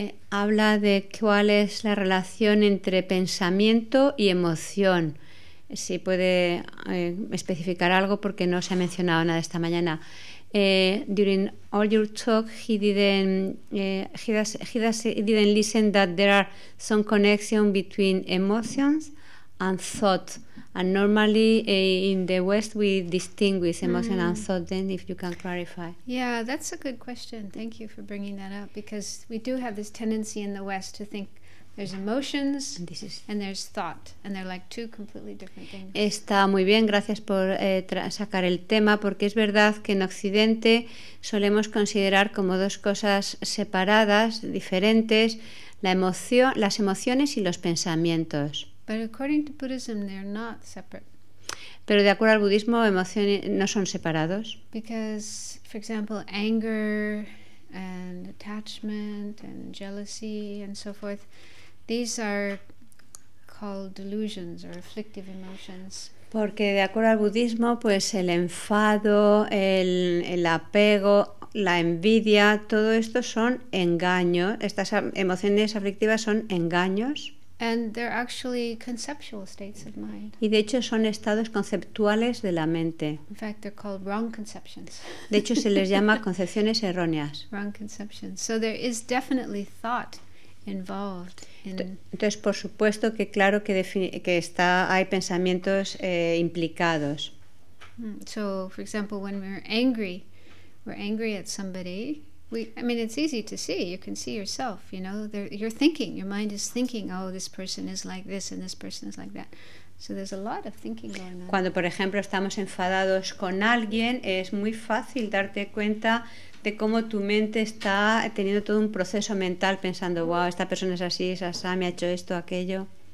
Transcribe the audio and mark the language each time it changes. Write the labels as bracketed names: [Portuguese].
[Spanish] Habla de cuál es la relación entre pensamiento y emoción. Si puede especificar algo porque no se ha mencionado nada esta mañana. [English] During all your talk, he didn't listen that there are some connection between emotions and thought. And normally in the West we distinguish emotion and thought, then if you can clarify. Yeah, that's a good question. Thank you for bringing that up, because we do have this tendency in the West to think there's emotions and there's thought, and they're like two completely different things. [Spanish] Está muy bien, gracias por sacar el tema, porque es verdad que en Occidente solemos considerar como dos cosas separadas, diferentes, las emociones y los pensamientos. [English] But according to Buddhism, they're not separate. [Spanish] Pero de acuerdo al budismo, emociones no son separados. [English] Because, for example, anger and attachment and jealousy and so forth, these are called delusions or afflictive emotions. [Spanish] Porque de acuerdo al budismo, pues el enfado, el apego, la envidia, todo esto son engaños. Estas emociones aflictivas son engaños. [English] And they're actually conceptual states of mind. [Spanish] Y de hecho son estados conceptuales de la mente. [English] In fact, they're called wrong conceptions. [Spanish] De hecho se les llama concepciones erróneas. [English] Wrong conceptions. So there is definitely thought involved in. [Spanish] Entonces, por supuesto que claro que hay pensamientos implicados. [English] So, for example, when we're angry at somebody, It's easy to see. You can see yourself, you know. You're thinking. Your mind is thinking, oh, this person is like this and this person is like that. So there's a lot of thinking going on. [Spanish] Cuando, por ejemplo, estamos enfadados con alguien, es muy fácil darte cuenta de cómo tu mente está teniendo todo un proceso mental pensando, wow, esta persona es así, es asá, me ha hecho esto, aquello.